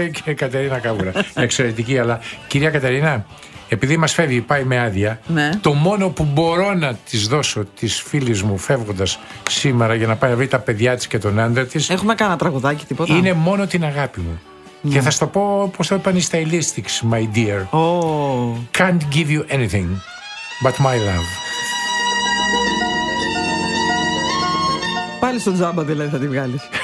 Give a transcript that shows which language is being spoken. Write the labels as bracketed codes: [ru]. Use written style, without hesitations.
[el] Και Κατερίνα Καβούρα. Εξαιρετική, αλλά κυρία Κατερίνα, επειδή μας φεύγει, πάει με άδεια. Ναι. Το μόνο που μπορώ να της δώσω της φίλης μου φεύγοντας σήμερα για να πάει να βρει τα παιδιά της και τον άντρα της. Έχουμε κανένα τραγουδάκι, τίποτα. Είναι μόνο την αγάπη μου. Yeah. Και θα σου το πω πως το είπαν οι stylistics, [en] my dear. Oh. Can't give you anything but my love. [el] Πάλι στον τζάμπα δηλαδή θα τη βγάλεις.